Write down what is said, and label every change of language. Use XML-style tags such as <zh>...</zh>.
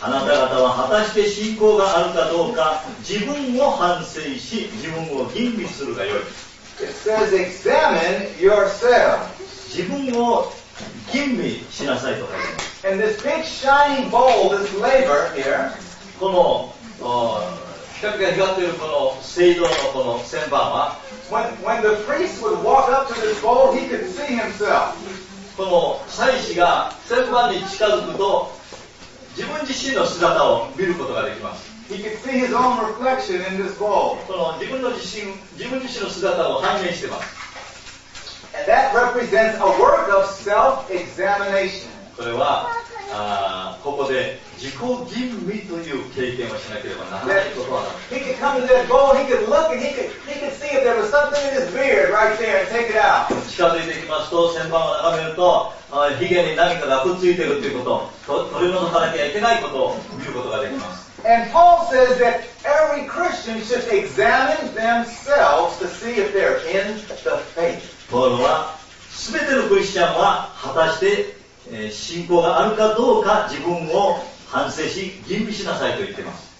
<ja>あなた方は果たして信仰があるかどうか自分を反省し自分を吟味するがよい。</ja> <en>It says examine yourself.</en> <ja>自分を吟味しなさいと書いています。</ja> <en>And this big shining bowl, this labor here.</en> <ja>このピカピカ光っているこの聖堂のこの旋盤は</ja> <en>When the priest would walk up to this bowl, he could see himself.</en> <ja>この祭司が旋盤に近づくと、自分自身の姿を見ることができます。</ja> <en>He could see his own reflection in this bowl.</en> <ja>その自分自身の姿を反映しています。</ja> <en>And that represents a work of self-examination.</en> <ja>それはここで自己吟味という経験をしなければならないことはない。</ja> <en>He could come to that bowl, he could look and he could see if there was something in his beard right there and take it out.</en> <ja>近づいていきますと、旋盤を眺めると、ヒゲに何かがくっついているということ、取り除かなきゃいけないことを見ることができます。</ja> <en>And Paul says that every Christian should examine themselves to see if they're in the faith.</en> <ja>ポールは、すべてのクリスチャンは果たして信仰があるかどうか自分を反省し吟味しなさいと言っています。</ja>